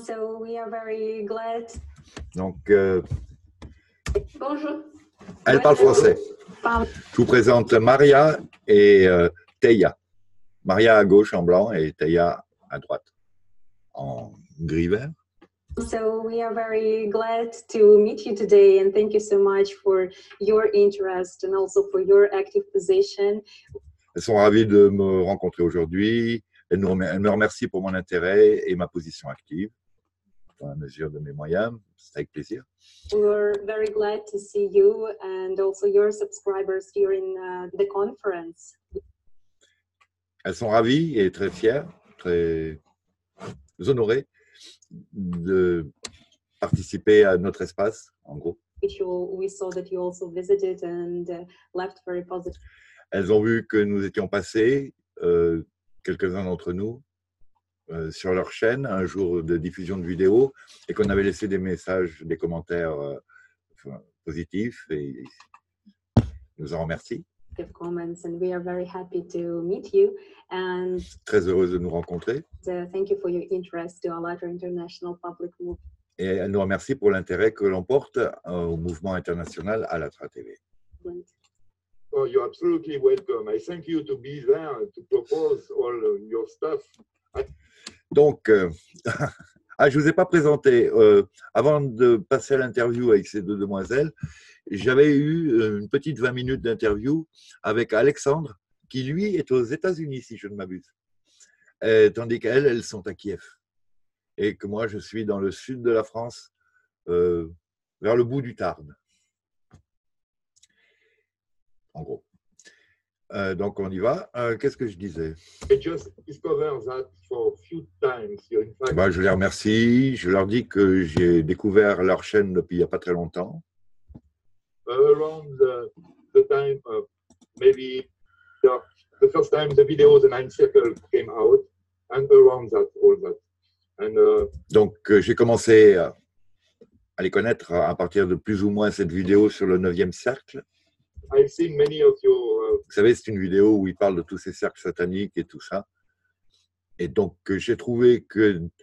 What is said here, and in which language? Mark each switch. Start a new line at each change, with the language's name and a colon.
English: so we are very glad.
French: Donc, Bonjour. elle parle français. Je vous présente Maria et Teia. Maria à gauche en blanc et Teia à droite en gris vert.
English: So we are very glad to meet you today and thank you so much for your interest and also for your active position.
French: Elles sont ravies de me rencontrer aujourd'hui. Elle me remercie pour mon intérêt et ma position active, dans la mesure de mes moyens, c'est avec plaisir.
English: We're very glad to see you and also your subscribers here in the conference.
French: Elles sont ravies et très fières, très honorées de participer à notre espace, en gros.
English: We saw that you also visited and left very positive.
French: Elles ont vu que nous étions passés. Quelques-uns d'entre nous sur leur chaîne un jour de diffusion de vidéos et qu'on avait laissé des messages, des commentaires enfin, positifs et nous en remercie.
English: Give comments and we are very happy to meet you and
French: Très heureuse de nous rencontrer.
English: thank you for your interest to Alatra International Public Movement.
French: Et elle nous remercie pour l'intérêt que l'on porte au mouvement international Alatra TV.
English: Oh, you're absolutely welcome. I thank you to be there to propose all your stuff.
French: Donc, ah, je ne vous ai pas présenté. Avant de passer à l'interview avec ces deux demoiselles, j'avais eu une petite 20 minutes d'interview avec Alexandre, qui lui est aux États-Unis, si je ne m'abuse, tandis qu'elles, elles sont à Kiev, et que moi, je suis dans le sud de la France, vers le bout du Tarn. En gros. Donc on y va. Qu'est-ce que je disais?
English: I just discovered that for a few times, in fact.
French: Ben, je les remercie. Je leur dis que j'ai découvert leur chaîne depuis il n'y a pas très longtemps.
English: Around the time of maybe the first time the video The Ninth Circle came out, and around that, all that.
French: Donc j'ai commencé à les connaître à partir de plus ou moins cette vidéo sur le 9e cercle.
English: I've seen many of your
French: Vous savez, c'est une vidéo où il parle de tous ces cercles sataniques et tout ça. Et donc, j'ai trouvé que...